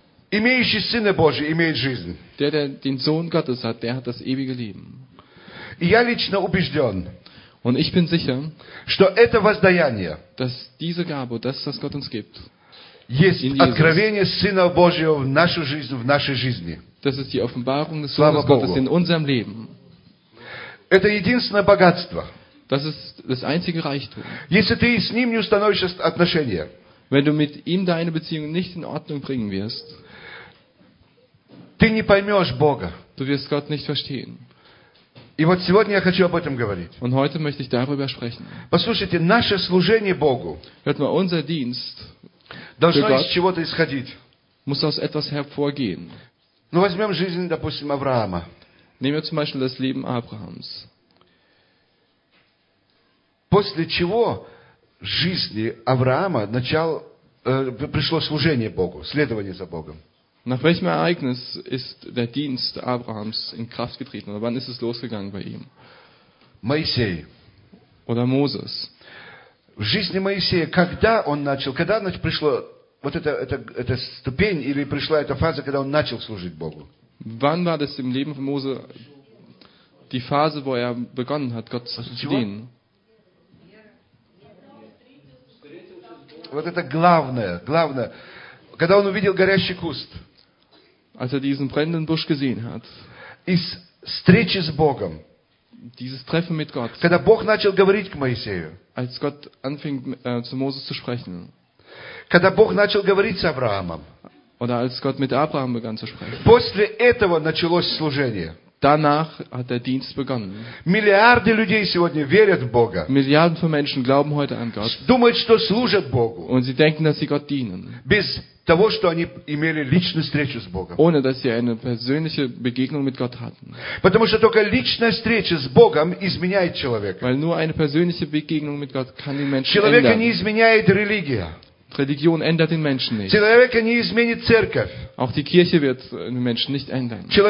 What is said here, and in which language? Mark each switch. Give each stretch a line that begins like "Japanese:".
Russian: Имеющий Сына Божий имеет жизнь.
German: Der den Sohn Gottes hat, der hat das ewige Leben.
Russian: И я лично убежден,
German: und ich bin sicher,
Russian: что это воздаяние,
German: dass diese Gabe, das, was Gott uns gibt,
Russian: есть откровение Сына Божьего в нашу жизнь, в нашей жизни.
German: Das ist die Offenbarung des Sohnes Gottes in unserem Leben.
Russian: Это единственное богатство.
German: Das ist das einzige Reichtum.
Russian: Если ты с ним не установишь отношения,
German: wenn du mit ihm deine Beziehung nicht in Ordnung bringen wirst,
Russian: ты не поймешь Бога.
German: Du wirst Gott nicht verstehen.
Russian: И вот сегодня я хочу об этом говорить.
German: Und heute möchte ich darüber sprechen.
Russian: Послушайте, наше служение Богу,
German: hört mal, unser Dienst
Russian: должно из чего-то исходить.
German: Muss aus etwas hervorgehen.
Russian: Ну возьмем жизнь, допустим, Авраама.
German: Nehmen wir zum Beispiel das Leben Abrahams.
Russian: После чего в жизни Авраама пришло служение Богу, следование за Богом.
German: Nach welchem Ereignis ist der Dienst Abrahams in Kraft getreten? Oder wann ist es losgegangen bei ihm?
Russian: Моисей.
German: Oder Moses.
Russian: В жизни Моисея, когда он начал, когда пришло вот эта ступень, или пришла эта фаза, когда он начал служить Богу.
German: Wann war das im Leben von Mose die Phase, wo er begonnen hat, Gott zu dienen?
Russian: Вот это главное. Когда он увидел горящий куст.
German: Als er diesen brennenden Busch gesehen hat. Ist
Russian: встречи с Богом.
German: Dieses Treffen mit Gott.
Russian: Когда Бог начал говорить к Моисею.
German: Als Gott anfing zu Moses zu sprechen.
Russian: Когда Бог начал говорить с Авраамом.
German: Oder als Gott mit Abraham begann zu sprechen.
Russian: После этого началось служение.
German: Danach hat der Dienst begonnen.
Russian: Миллиарды людей сегодня верят в Бога.
German: Milliarden von Menschen glauben heute an Gott.
Russian: Думают, что служат Богу.
German: Und sie denken, dass sie Gott dienen.
Russian: Без того, что они имели личную встречу с Богом.
German: Ohne dass sie eine persönliche Begegnung mit Gott hatten.
Russian: Потому что только личная встреча с Богом изменяет человека.
German: Weil nur eine persönliche Begegnung mit Gott kann den Menschen ändern.
Russian: Человека не изменяет религия.
German: Religion ändert den Menschen nicht. Auch die Kirche wird den Menschen nicht ändern.